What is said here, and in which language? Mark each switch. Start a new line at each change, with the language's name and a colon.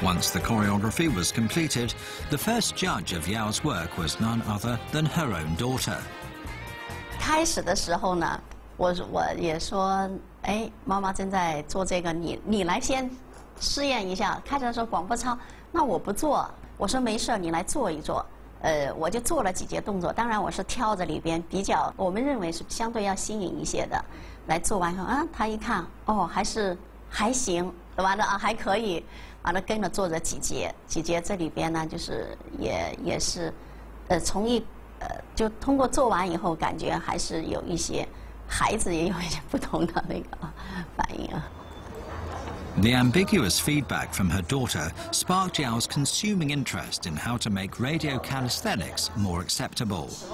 English: the choreography was completed, the first judge of Yao's work was none other than her own daughter.
Chinese: 开始的时候呢。我也说，哎，妈妈正在做这个，你来先试验一下，开始说广播操，那我不做，我说没事，你来做一做，我就做了几节动作，当然我是挑着里边比较我们认为是相对要新颖一些的，来做完以后啊，他一看，哦，还可以，完了跟着做着几节，这里边呢就是也是，从一，就通过做完以后感觉还是有一些。
English: The ambiguous feedback from her daughter sparked Yao's consuming interest in how to make radio calisthenics more acceptable.